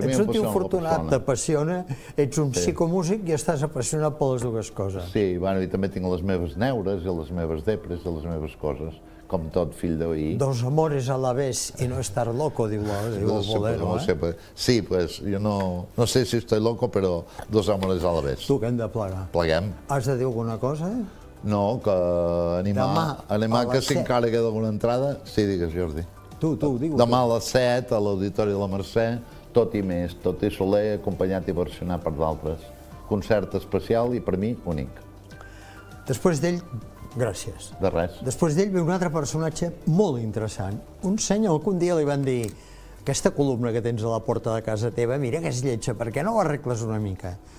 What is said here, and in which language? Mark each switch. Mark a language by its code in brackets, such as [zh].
[ca] Ets un tio afortunat, t'apassiona, ets un psicomúsic i estàs apassionat per les dues coses. Sí, i també tinc les meves neures i les meves depres i les meves coses, com tot fill d'ahir. [es] Dos amores a la vez y no estar loco, [ca] diu Bolero, eh? [es] Sí, pues yo no sé si estoy loco, pero dos amores a la vez. [ca] Tu, que hem de plegar. Pleguem. Has de dir alguna cosa, eh? No, que animar que si encara queda alguna entrada... Sí, digues, Jordi. Tu, digues. Demà a les 7, a l'Auditori de la Mercè, tot i més, tot i soler, acompanyat i versionat per d'altres. Concert especial i, per mi, únic. Després d'ell, gràcies. De res. Després d'ell ve un altre personatge molt interessant. Un senyor que un dia li van dir, aquesta columna que tens a la porta de casa teva, mira que és lletja, per què no ho arregles una mica?